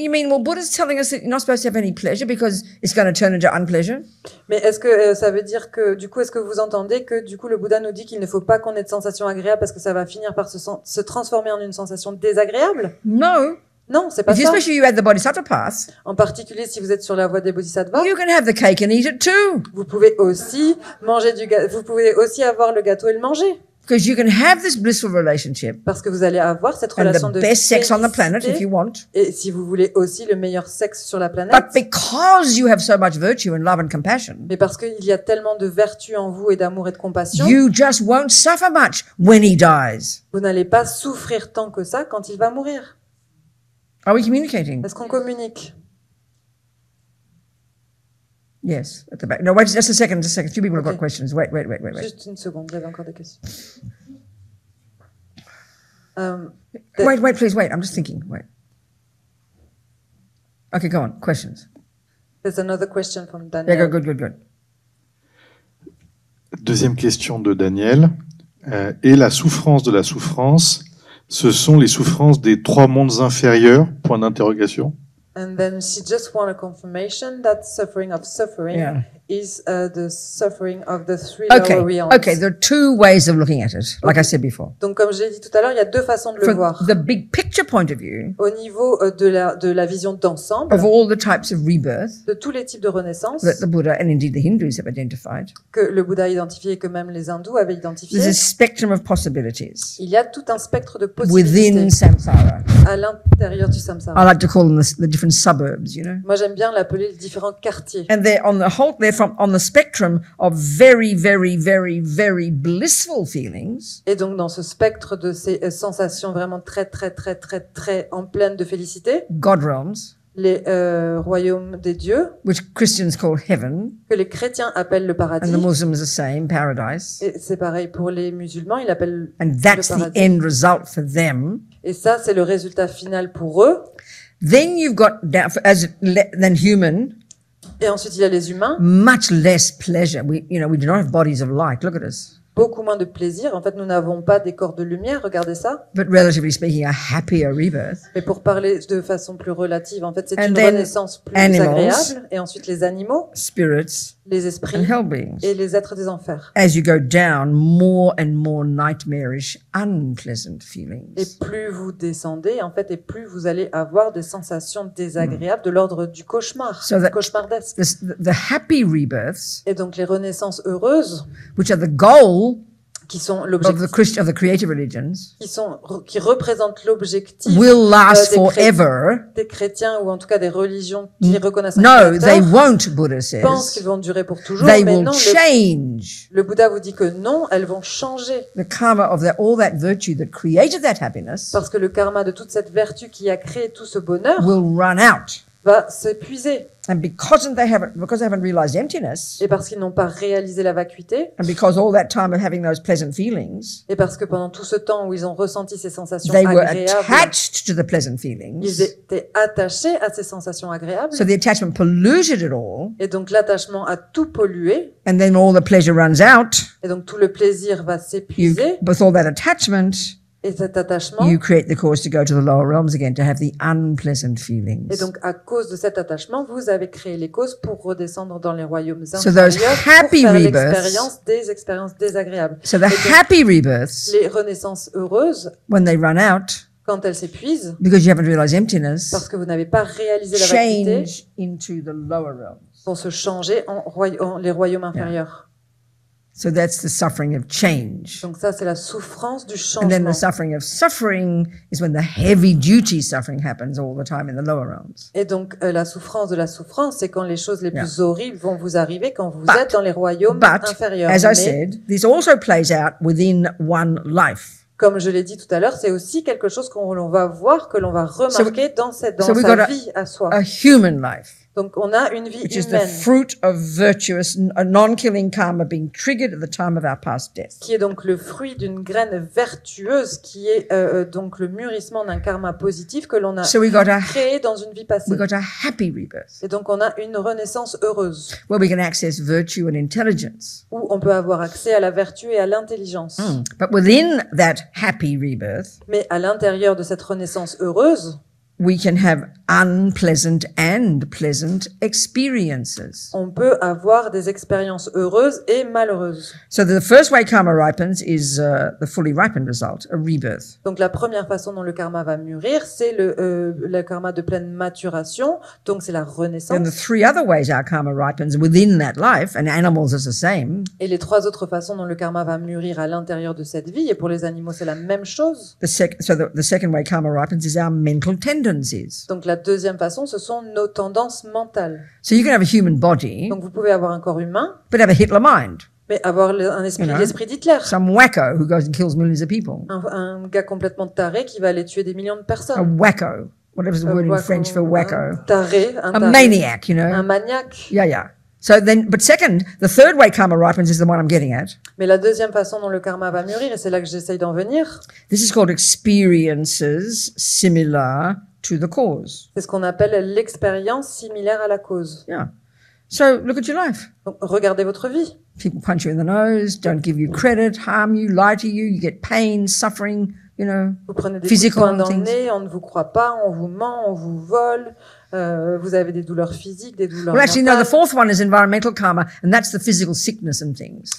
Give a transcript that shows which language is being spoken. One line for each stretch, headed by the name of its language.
English: You mean, well, Buddha's telling us that you're not supposed to have any pleasure because it's going to turn into unpleasure?
French: Mais est-ce que ça veut dire que du coup est-ce que vous entendez que du coup le Bouddha nous dit qu'il ne faut pas qu'on ait de sensations agréables parce que ça va finir par se transformer en une sensation désagréable?
English: No.
French: Non, c'est pas
English: if
French: ça.
English: Especially if you had the bodhisattva path.
French: En particulier si vous êtes sur la voie des bodhisattvas.
English: You can have the cake and eat it too.
French: Vous pouvez aussi manger du gâteau. Vous pouvez aussi avoir le gâteau et le manger.
English: Because you can have this blissful relationship.
French: Parce que vous allez avoir cette relation de félicité.
English: And the best sex on the planet if you want.
French: Et si vous voulez aussi le meilleur sexe sur la planète.
English: But because you have so much virtue and love and compassion.
French: Mais parce qu'il y a tellement de vertu en vous et d'amour et de compassion.
English: You just won't suffer much when he dies.
French: Vous n'allez pas souffrir tant que ça quand il va mourir.
English: Are we communicating?
French: Est-ce qu'on communique?
English: Yes, at the back. No, wait, just a second, just a second. A few people have got questions. Wait.
French: Just une seconde, j'avais encore des questions.
English: Wait, please. I'm just thinking. Wait. Okay, go on. Questions. There's another question from Daniel. Yeah, good.
French: Deuxième question de Daniel. Et la souffrance de la souffrance, ce sont les souffrances des trois mondes inférieurs, point d'interrogation.
English: And then she just want a confirmation that suffering of suffering is the suffering of the three lower realms. Okay, there are two ways of looking at it, like I said before.
French: Donc comme j'ai dit tout à l'heure, il y a deux façons de
English: from
French: le voir.
English: The big picture point of view.
French: Au niveau de la vision d'ensemble.
English: Of all the types of rebirth.
French: De tous les types de renaissance.
English: That the Buddha and indeed the Hindus have identified.
French: Que le Bouddha a identifié et que même les hindous avaient identifié.
English: There's a spectrum of possibilities.
French: Il y a tout un spectre de possibilités.
English: Within samsara.
French: À l'intérieur du samsara.
English: I like to call them the different suburbs, you know.
French: Moi j'aime bien l'appeler les différents quartiers.
English: And they're on the whole. From on the spectrum of very, very, very, very blissful feelings.
French: Et donc dans ce spectre de ces sensations vraiment très, très, très, très, très en pleine de félicité.
English: God realms.
French: Les royaumes des dieux.
English: Which Christians call heaven.
French: Que les chrétiens appellent le paradis.
English: And the Muslims the same, paradise.
French: Et c'est pareil pour les musulmans, ils appellent le paradis.
English: And that's the end result for them.
French: Et ça, c'est le résultat final pour eux.
English: Then you've got as then human.
French: Et ensuite il y a les humains.
English: Much less pleasure. We do not have bodies of light. Look at us.
French: Beaucoup moins de plaisir. En fait, nous n'avons pas des corps de lumière. Regardez ça.
English: But relatively speaking, a happier rebirth.
French: Mais pour parler de façon plus relative, en fait, c'est une renaissance plus agréable. Et ensuite les animaux.
English: Spirits.
French: Les esprits.
English: And hell beings.
French: Et les êtres des enfers.
English: As you go down, more and more nightmarish, unpleasant feelings.
French: Et plus vous descendez, en fait, et plus vous allez avoir des sensations désagréables de l'ordre du cauchemar, cauchemardesque.
English: The happy rebirths.
French: Et donc les renaissances heureuses.
English: Which are the goal.
French: Qui sont l'objectif
English: of the creative religions,
French: qui représentent l'objectif
English: will last
French: des chrétiens ou en tout cas des religions qui reconnaissent
English: no, they won't, Buddha says.
French: Pensent qu'ils vont durer pour toujours,
English: they
French: mais
English: will
French: non,
English: change.
French: Le Bouddha vous dit que non, elles vont changer.
English: The karma of the, all that virtue that created that happiness,
French: parce que le karma de toute cette vertu qui a créé tout ce bonheur
English: will run out.
French: Va s'épuiser.
English: And because they haven't realized emptiness,
French: et parce qu'ils n'ont pas réalisé la vacuité,
English: and because all that time of having those pleasant feelings,
French: et parce que pendant tout ce temps où ils ont ressenti ces sensations
English: they
French: agréables,
English: were attached to the pleasant feelings,
French: ils étaient attachés à ces sensations agréables,
English: so the attachment polluted it all,
French: et donc l'attachement a tout pollué,
English: and then all the pleasure runs out,
French: et donc tout le plaisir va s'épuiser,
English: with all that attachment.
French: Et cet attachement,
English: you create the cause to go to the lower realms again to have the unpleasant feelings.
French: Et donc, à cause de cet attachement, vous avez créé les causes pour redescendre dans les royaumes inférieurs.
English: So those happy rebirths,
French: des expériences désagréables.
English: So the happy rebirths,
French: les renaissances heureuses,
English: when they run out,
French: quand elles s'épuisent,
English: because you haven't realized emptiness,
French: parce que vous n'avez pas réalisé la vacuité,
English: change into the lower realms,
French: vont se changer en les royaumes inférieurs.
English: Yeah. So that's the suffering of change.
French: Donc ça c'est la souffrance du changement.
English: And then the suffering of suffering is when the heavy duty suffering happens all the time in the lower realms.
French: Et donc la souffrance de la souffrance c'est quand les choses les plus horribles vont vous arriver quand vous êtes dans les royaumes inférieurs.
English: As I said, this also plays out within one life.
French: Comme je l'ai dit tout à l'heure, c'est aussi quelque chose qu'on va voir, que l'on va remarquer dans sa vie à soi.
English: A human life.
French: Donc on a une vie
English: which Which is the fruit of virtuous, a non-killing karma being triggered at the time of our past death.
French: Qui est donc le fruit d'une graine vertueuse, qui est donc le mûrissement d'un karma positif que l'on a créé dans une vie passée.
English: We got a happy rebirth.
French: Et donc on a une renaissance heureuse.
English: Where we can access virtue and intelligence.
French: Où on peut avoir accès à la vertu et à l'intelligence.
English: But within that happy rebirth.
French: Mais à l'intérieur de cette renaissance heureuse.
English: we can have unpleasant and pleasant experiences.
French: On peut avoir des expériences heureuses et malheureuses.
English: So the first way karma ripens is the fully ripened result, a rebirth.
French: Donc la première façon dont le karma va mûrir, c'est le karma de pleine maturation, donc c'est la renaissance.
English: And the three other ways our karma ripens within that life, and animals is the same.
French: Et les trois autres façons dont le karma va mûrir à l'intérieur de cette vie, et pour les animaux c'est la même chose.
English: The second way karma ripens is our mental tendencies.
French: Donc la deuxième façon, ce sont nos tendances mentales.
English: So you can have a human body,
French: donc vous pouvez avoir un corps humain,
English: but have a Hitler mind.
French: Mais avoir un esprit,
English: you know,
French: l'esprit d'Hitler.
English: Some wacko who goes and kills millions of people.
French: Un gars complètement taré qui va aller tuer des millions de personnes.
English: A wacko. Whatever's the word wacko, in French for wacko.
French: Un taré.
English: A maniac, you know.
French: Un maniaque.
English: Yeah, yeah. So then, but second, the third way karma ripens is the one I'm getting at.
French: Mais la deuxième façon dont le karma va mûrir, et c'est là que j'essaye d'en venir.
English: This is called experiences similar to the cause.
French: C'est ce qu'on appelle l'expérience similaire à la cause.
English: Yeah. So look at your life.
French: Donc, regardez votre vie.
English: People punch you in the nose, don't give you credit, harm you, lie to you, you get pain, suffering, you know,
French: vous prenez des coups de poing dans le nez, on ne vous croit pas, on vous ment, on vous vole. Vous avez des douleurs physiques, des douleurs mentales.
English: Well, actually, no, the fourth one is environmental karma, and that's the physical sickness and things.